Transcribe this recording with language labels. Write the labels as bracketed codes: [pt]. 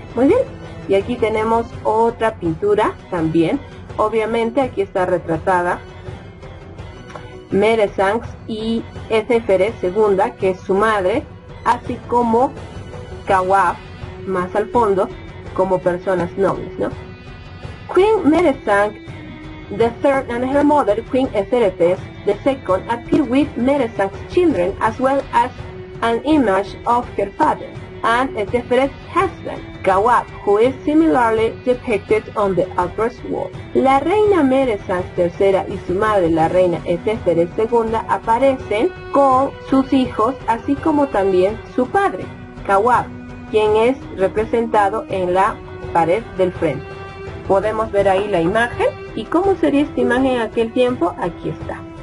[es] Muy bien, y aquí tenemos otra pintura también. Obviamente aquí está retratada Mere Sang y Eseferes II, que es su madre, así como Khafre, más al fondo, como personas nobles, ¿no? [en] Queen Mere Sang III and her mother, Queen Eseferes II, appear with Mere Sang's children as well as an image of her father and Eseferes' husband, Khafre, who is similarly depicted on the upper wall. [es] La reina Mere Sang III y su madre, la reina Eseferes II, aparecen con sus hijos, así como también su padre, Khafre, quien es representado en la pared del frente. Podemos ver ahí la imagen. ¿Y cómo sería esta imagen en aquel tiempo? Aquí está.